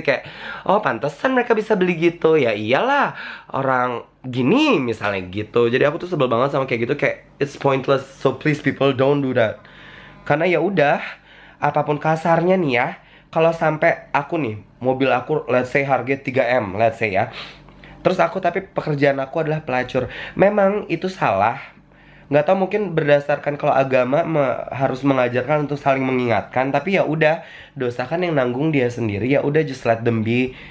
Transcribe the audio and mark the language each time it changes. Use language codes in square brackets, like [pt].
[id] Kayak, pantesan mereka bisa beli gitu, ya iyalah orang gini misalnya gitu. Jadi aku tuh sebel banget sama kayak gitu, kayak [en] it's pointless, so please people don't do that. [id] Karena ya udah, apapun kasarnya nih ya, kalau sampai aku nih, mobil aku [en] let's say [id] harga 3M, let's say ya, terus aku, tapi pekerjaan aku adalah pelacur, memang itu salah. Nggak tahu, mungkin berdasarkan kalau agama harus mengajarkan untuk saling mengingatkan, tapi ya udah, dosa kan yang nanggung dia sendiri, ya udah [en] just let them be.